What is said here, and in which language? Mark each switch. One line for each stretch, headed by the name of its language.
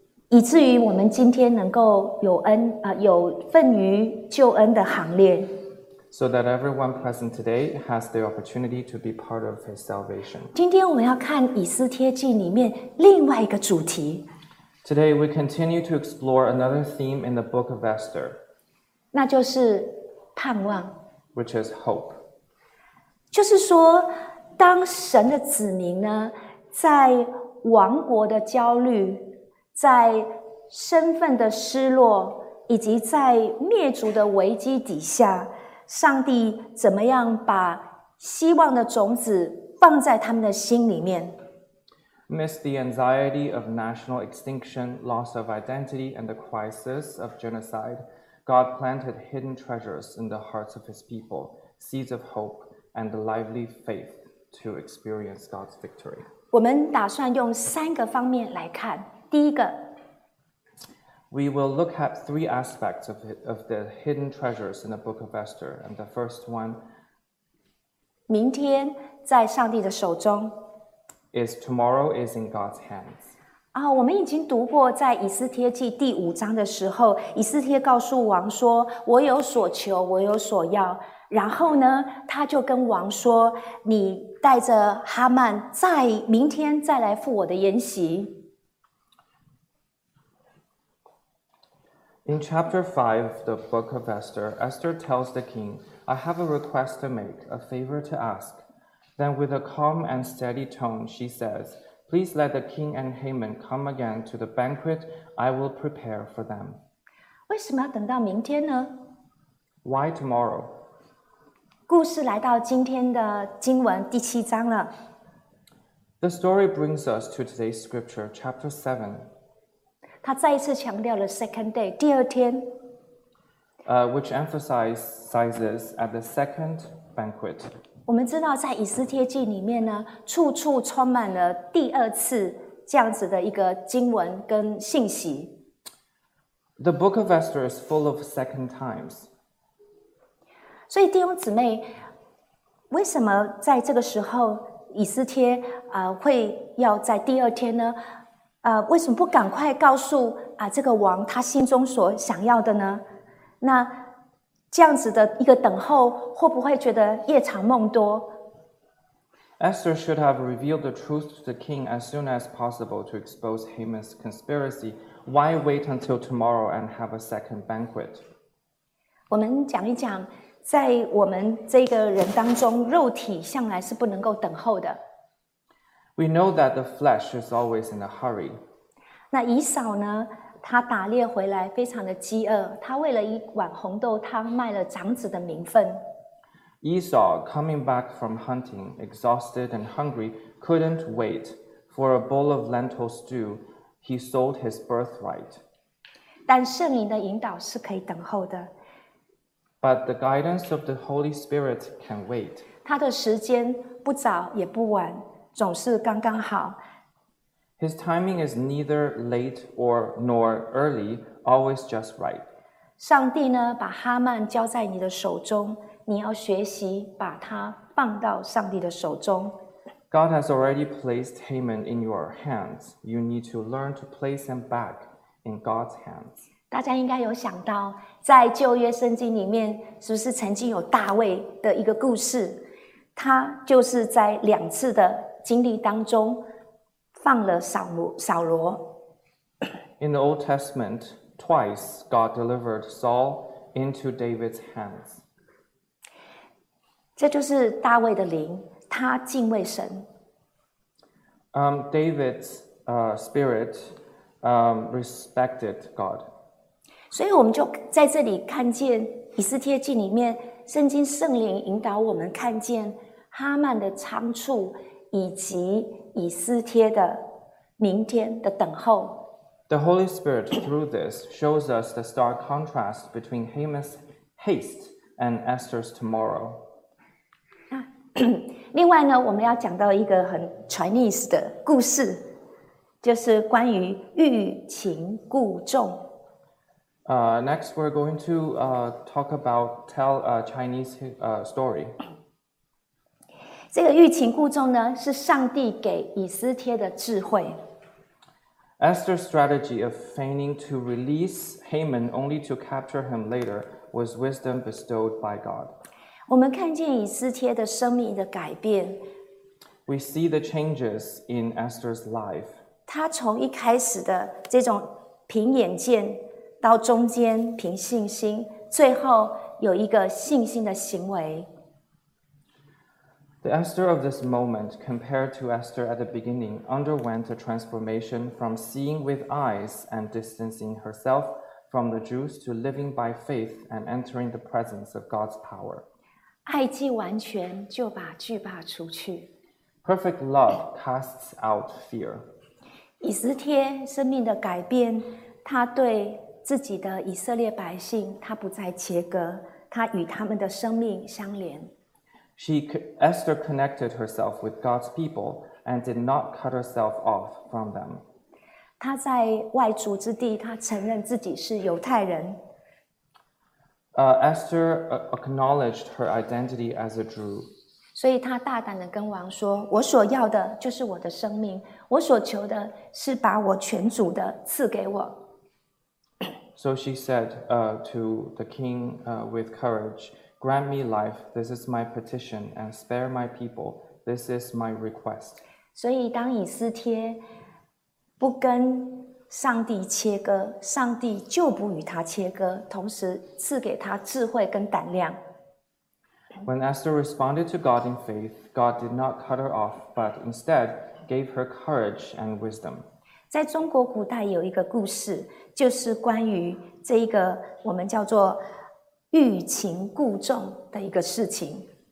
Chinese: 以至于我们今天能够有恩有份于救恩的行列。
English: So that everyone present today has the opportunity to be part of his salvation.
Chinese: 今天我们要看以斯帖记里面另外一个主题。
English: Today we continue to explore another theme in the book of Esther.
Chinese: 那就是盼望。
English: Which is hope.
Chinese: 就是说，当神的子民呢，在王国的焦虑，在身份的失落，以及在灭族的危机底下，上帝怎么样把希望的种子放在他们的心里面？
English: Amidst the anxiety of national extinction, loss of identity, and the crisis of genocide, God planted hidden treasures in the hearts of his people, seeds of hope and a lively faith to experience God's victory.
Chinese: 我们打算用三个方面来看。第一个，
English: We will look at three aspects of the hidden treasures in the book of Esther. And the first one,
Chinese: 明天在上帝的手中。
English: Is tomorrow is in God's hands.
Chinese: 啊，我们已经读过在以斯帖记第五章的时候，以斯帖告诉王说：“我有所求，我有所要。” 然后呢，他就跟王说：“你带着哈曼在明天再来赴我的筵席。”
English: In chapter 5 of the book of Esther, Esther tells the king, "I have a request to make, a favor to ask." Then with a calm and steady tone, she says, "Please let the king and Haman come again to the banquet I will prepare for them."
Chinese: 为什么要等到明天呢？
English: Why tomorrow?
Chinese: 故事来到今天的经文第七章了。
English: The story brings us to today's scripture, chapter 7.
Chinese: 他再一次强调了
English: second day,
Chinese: 第二天。
English: Which emphasizes at the second banquet.
Chinese: 我们知道在以斯帖记里面呢，处处充满了第二次这样子的一个经文跟信息。
English: The book of Esther is full of second times.
Chinese: 所以弟兄姊妹，为什么在这个时候以斯帖会要在第二天呢？为什么不赶快告诉这个王他心中所想要的呢？那这样子的一个等候，会不会觉得夜长梦多？
English: Esther should have revealed the truth to the king as soon as possible to expose Haman's conspiracy. Why wait until tomorrow and have a second banquet?
Chinese: 我们讲一讲，在我们这个人当中，肉体向来是不能够等候的。
English: We know that the flesh is always in a hurry.
Chinese: 那以扫呢？他打猎回来非常的饥饿，他为了一碗红豆汤卖了长子的名分。
English: Esau, coming back from hunting, exhausted and hungry, couldn't wait for a bowl of lentil stew. He sold his birthright.
Chinese: 但圣灵的引导是可以等候的。
English: But the guidance of the Holy Spirit can wait.
Chinese: 他的时间不早也不晚，总是刚刚好。
English: His timing is neither late or nor early, always just right.
Chinese: 上帝呢，把哈曼交在你的手中，你要学习把他放到上帝的手中。
English: God has already placed Haman in your hands. You need to learn to place him back in God's hands.
Chinese: 大家应该有想到，在旧约圣经里面，是不是曾经有大卫的一个故事？他就是在两次的经历当中。放了扫罗。
English: In the Old Testament, twice God delivered Saul into David's hands.
Chinese: 这就是大卫的灵，他敬畏神。
English: David's spirit respected God.
Chinese: 所以我们就在这里看见以斯帖记里面，圣经圣灵引导我们看见哈曼的仓促以及以斯帖的明天的等候。
English: The Holy Spirit through this shows us the stark contrast between Haman's haste and Esther's tomorrow.
Chinese: 另外呢，我们要讲到一个很 Chinese 的故事，就是关于欲擒故纵。
English: Next, we're going to talk about tell a Chinese story.
Chinese: 这个欲擒故纵呢，是上帝给以斯帖的智慧。
English: Esther's strategy of feigning to release Haman only to capture him later was wisdom bestowed by God.
Chinese: 我们看见以斯帖的生命的改变。
English: We see the changes in Esther's life.
Chinese: 她从一开始的这种凭眼见，到中间凭信心，最后有一个信心的行为。
English: The Esther of this moment, compared to Esther at the beginning, underwent a transformation from seeing with eyes and distancing herself from the Jews to living by faith and entering the presence of God's power.
Chinese: 爱既完全，就把惧怕除去。
English: Perfect love casts out fear.
Chinese: 以斯帖生命的改变，他对自己的以色列百姓，他不再切割，他与他们的生命相连。
English: Esther connected herself with God's people and did not cut herself off from them.
Chinese: 她在外族之地，她承认自己是犹太人。
English: Esther acknowledged her identity as a Jew.
Chinese: 所以她大胆地跟王说，我所要的就是我的生命，我所求的是把我全族的赐给我。
English: So she said to the king with courage, Grant me life, this is my petition, and spare my people, this is my request.
Chinese: 所以当以斯帖不跟上帝切割，上帝就不与他切割，同时赐给他智慧跟胆量。
English: When Esther responded to God in faith, God did not cut her off, but instead gave her courage and wisdom.
Chinese: 在中国古代有一个故事，就是关于这一个我们叫做欲擒故纵的一个事情。